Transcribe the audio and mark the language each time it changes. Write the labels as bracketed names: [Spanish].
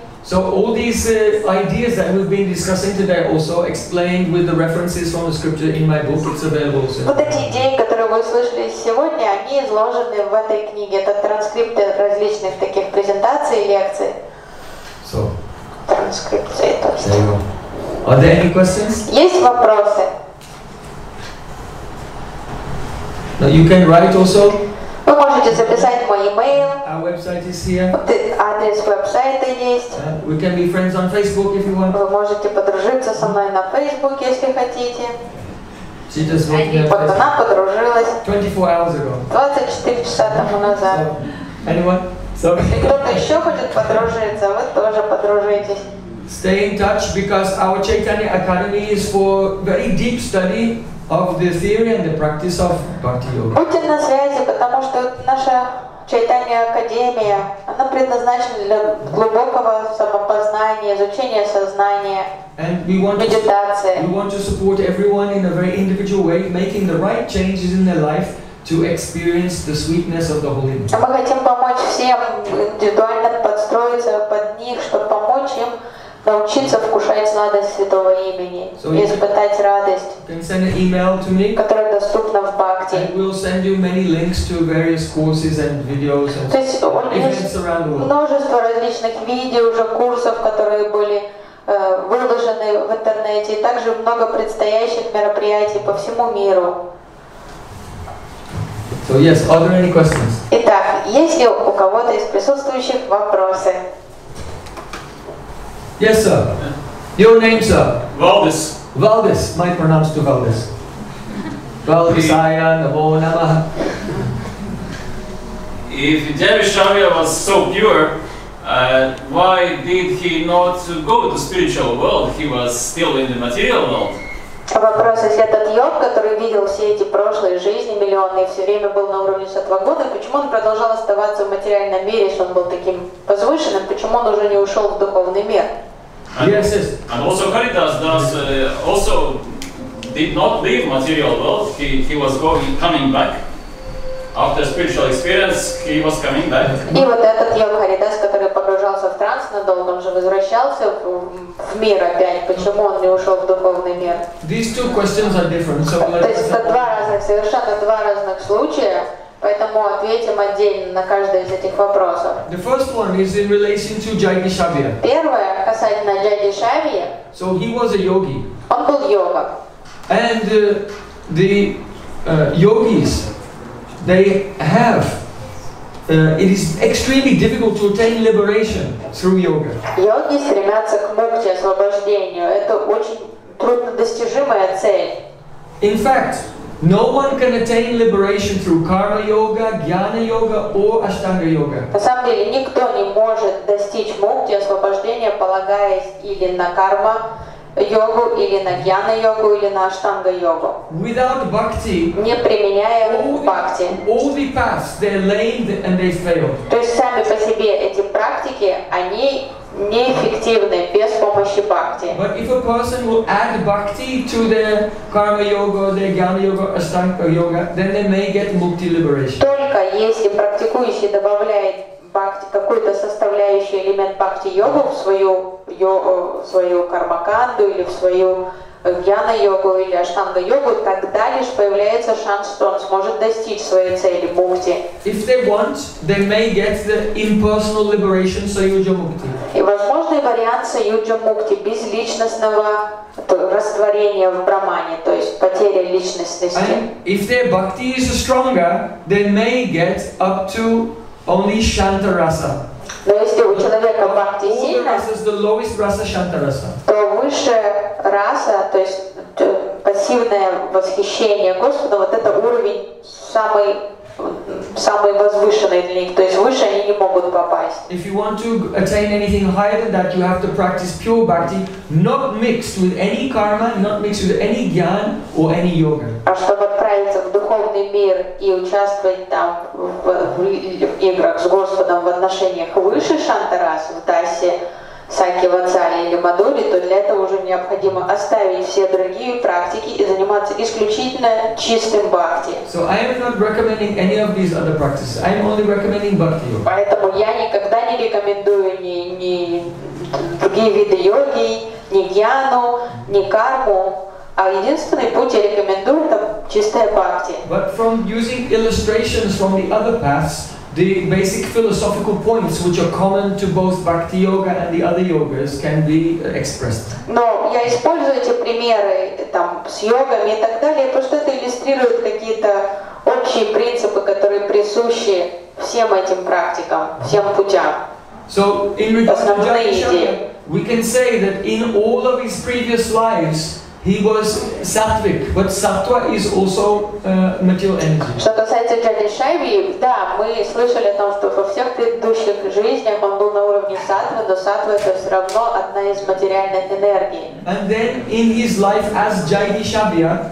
[English] So all these ideas that we've been discussing today also explained with the references from the scripture in my book. It's available. [Russian] Вот эти идеи, которые вы слышали сегодня, они изложены в этой книге. Это транскрипты различных таких презентаций и лекций. [English] So. [Russian] Транскрипции. [English] There you go. Are there any questions? [Russian] Есть вопросы? [English] No, you can write also. [Russian] Вы можете записать мой email. [English] Our website is here. [Russian] Адрес веб-сайта есть. [English] We can be friends on Facebook if you want. [Russian] Вы можете подружиться со мной на Facebook, если хотите. [English] She just wrote me [Russian] вот она подружилась. [English] 24 hours ago. [Russian] 24 часа тому назад. [English] Sorry. [Russian] Кто-то еще хочет подружиться, вы тоже подружитесь. [English] Stay in touch because our Chaitanya Academy is for very deep study of the theory and the practice of Bhakti Yoga. [Russian] Будьте на связи, потому что наша Чайтанья Академия, она предназначена для глубокого самопознания, изучения сознания. [English] And we want to support everyone in a very individual way, making the right changes in their life to experience the sweetness of the Holy Name. [Russian] Мы хотим помочь всем индивидуально подстроиться под них, чтобы помочь им научиться вкушать сладость Святого Имени и испытать радость, которая доступна в Бхакти. [English] We'll send you many links to various courses and videos and events around the world. [Russian] Множество различных видео, уже курсов, которые были выложены в интернете, и также много предстоящих мероприятий по всему миру. [English] So yes, are there any questions? [Russian] Итак, есть ли у кого-то из присутствующих вопросы? [English] Yes, sir. Your name, sir? Valdis. Valdis. Might pronounce to Valdis. Valdis Ayan, Abho Namaha. If Devi Sharya was so pure, why did he not go to the spiritual world? He was still in the material world. [Russian] Вопрос, если этот йог, который видел все эти прошлые жизни, миллионные, все время был на уровне сатвагуны, почему он продолжал оставаться в материальном мире, если он был таким возвышенным, почему он уже не ушел в духовный мир? [English] Yes. And also Haridas also did not leave material world. He was coming back after spiritual experience. He was coming back. [Russian] И вот этот йог Харидас, который погружался в транс надолго, он же возвращался в мир опять. Почему он не ушел в духовный мир? [English] These two questions are different. So [Russian] то есть это два разных, совершенно два разных случая. Поэтому ответим отдельно на каждый из этих вопросов. [English] The first one is in relation to Jaiti Shavya. [Russian] Первое касательно Jaiti Shavya. [English] So he was a yogi. [Russian] Он был йогом. [English] And the yogis, they have. It is extremely difficult to attain liberation through yoga. [Russian] Йоги стремятся к мукти, освобождению. Это очень труднодостижимая цель. [English] In fact. No one can attain liberation through karma yoga, jnana yoga, or ashtanga yoga. [Russian] На самом деле никто не может достичь мукти освобождения, полагаясь или на карма йогу, или на jnana йогу, или на ashtanga йогу. [English] Without bhakti, [Russian] не применяя бхакти, [English] all the paths they're lame and they fail. [Russian] То есть сами по себе эти практики они неэффективны без помощи бхакти. [English] But if a person will add bhakti to their karma yoga, their jnana yoga, ashtanga yoga, then they may get mukti liberation. [Russian] Только если практикующий добавляет бхакти, какую-то составляющую элемент бхакти йогу в свою кармаканду или в свою jnana йогу или ashtanga йогу, тогда лишь появляется шанс, что он сможет достичь своей цели мукти. [English] If they want, they may get the impersonal liberation sayujya mukti. [Russian] И возможный вариант саюджа мукти без личностного растворения в брамане, то есть потеря личностности. [English] And if their bhakti is stronger, they may get up to only shantarasa. [Russian] Но если у человека бхакти сильна, [English] the lowest rasa shantarasa. [Russian] То высшая раса, то есть пассивное восхищение Господа, вот это уровень самый возвышенный для них, то есть выше они не могут попасть. [English] If you want to attain anything higher than that, you have to practice pure bhakti, not mixed with any karma, not mixed with any jnana or any yoga. [Russian] А чтобы отправиться в духовный мир и участвовать там в играх с Господом в отношениях выше шантарас, в дасе, саки, вацали или мадури, то для этого уже необходимо оставить все другие практики и заниматься исключительно чистым бхакти. [English] So I am not recommending any of these other practices. I am only recommending bhakti yoga. [Russian] Поэтому я никогда не рекомендую ни другие виды йоги, ни гьяну, ни карму. А единственный путь я рекомендую — это чистая бхакти. [English] But from using illustrations from the other paths, the basic philosophical points, which are common to both bhakti yoga and the other yogas, can be expressed. [Russian] Но я использую эти примеры там с йогами и так далее, просто это иллюстрирует какие-то общие принципы, которые присущи всем этим практикам, всем путям. [English] So in regard to Jaiti Shavya, we can say that in all of his previous lives, he was sattvic, but sattva is also material energy. [Russian] Что касается Jaiti Shavya, да, мы слышали о том, что во всех предыдущих жизнях он был на уровне сатвы, но сатва — это все равно одна из материальных энергий. [English] And then in his life as Jaiti Shavya,